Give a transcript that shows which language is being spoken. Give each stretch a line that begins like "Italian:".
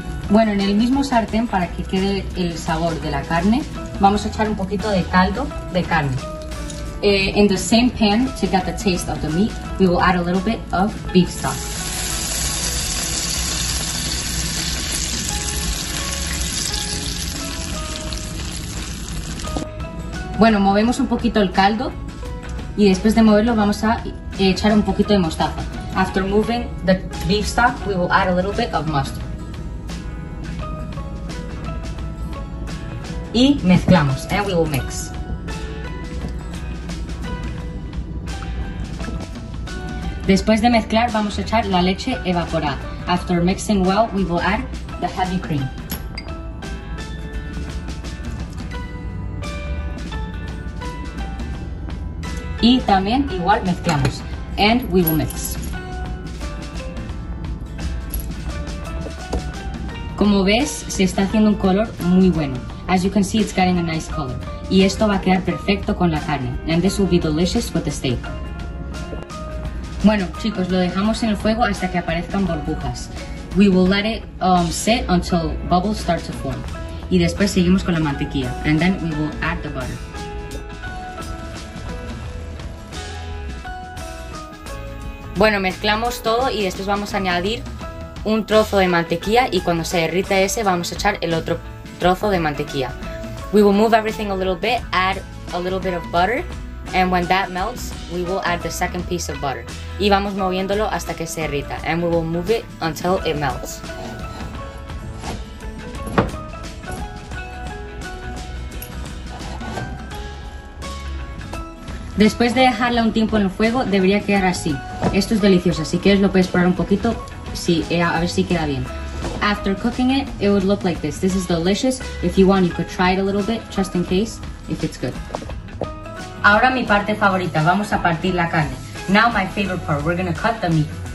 Spanish: Bueno, en el mismo sartén, para que quede el sabor de la carne, vamos a echar un poquito de caldo de carne.
English: In the same pan, to get the taste of the meat, we will add a little bit of beef stock.
Spanish: Bueno, movemos un poquito el caldo y después de moverlo vamos a echar un poquito de mostaza.
English: After moving the beef stock, we will add a little bit of mustard.
Spanish: Y mezclamos,
English: and we will mix.
Spanish: Después de mezclar, vamos a echar la leche evaporada.
English: After mixing well, we will add the heavy cream.
Spanish: Y también igual mezclamos.
English: And we will mix.
Spanish: Como ves, se está haciendo un color muy bueno.
English: As you can see, it's getting a nice color.
Spanish: Y esto va a quedar perfecto con la carne.
English: And this will be delicious with the steak.
Spanish: Bueno, chicos, lo dejamos en el fuego hasta que aparezcan burbujas.
English: We will let it sit until bubbles start to form.
Spanish: Y después seguimos con la mantequilla.
English: And then we will add the butter.
Spanish: Bueno, mezclamos todo y después vamos a añadir un trozo de mantequilla y cuando se derrita ese vamos a echar el otro trozo de mantequilla.
English: We will move everything a little bit, add a little bit of butter, and when that melts, we will add the second piece of butter.
Spanish: Y vamos moviéndolo hasta que se derrita,
English: and we will move it until it melts.
Spanish: Después de dejarla un tiempo en el fuego, debería quedar así. Esto es delicioso, si quieres lo puedes probar un poquito, sí, a ver si queda bien.
English: After cooking it, it would look like this. This is delicious. If you want, you could try it a little bit, just in case, if it's good.
Spanish: Ahora mi parte favorita, vamos a partir la carne.
English: Now my favorite part, we're gonna cut the meat.